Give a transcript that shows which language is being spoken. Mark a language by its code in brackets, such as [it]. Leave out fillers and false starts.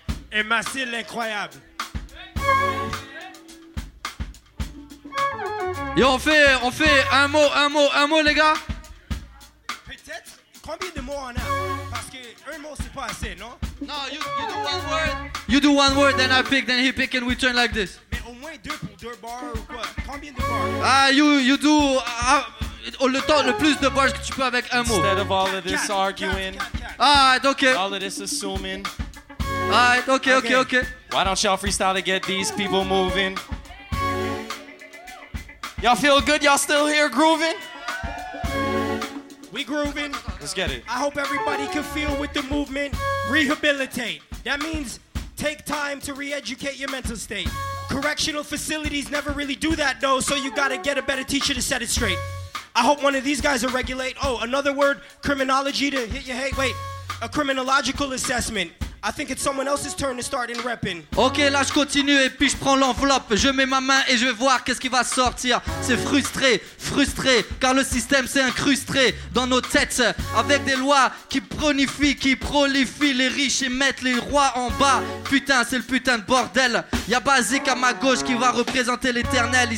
[fr] Et Massil, l'incroyable. Et on fait un mot, les gars? Peut-être. Combien de mots on a? Parce que un mot, c'est pas assez, non? [en] No, you do one word. You do one word, then I pick, then he pick, and we turn like this. [fr] Mais au moins deux pour deux bars ou quoi? Combien de bars? [en] Ah, you do [fr] le temps, le plus de bars que tu peux avec un mot. [en] Instead of all of this arguing. Alright, okay. All of this assuming. Alright, okay. Why don't y'all freestyle to get these people moving? Y'all feel good? Y'all still here grooving? We grooving. Let's get it. I hope everybody can feel with the movement. Rehabilitate. That means Take time to re-educate your mental state. Correctional facilities never really do that, though, so you gotta get a better teacher to set it straight. I hope one of these guys will regulate. Oh, another word, criminology to hit your head. Wait, a criminological assessment. I think it's someone else's turn to start in repping. [fr] Ok, là je continue et puis je prends l'enveloppe. Je mets ma main et je vais voir qu'est-ce qui va sortir. C'est frustré, frustré, car le système s'est incrusté dans nos têtes. Avec des lois qui prolifient les riches et mettent les rois en bas. Putain, c'est le putain de bordel. Y'a Basique à ma gauche qui va représenter l'éternel.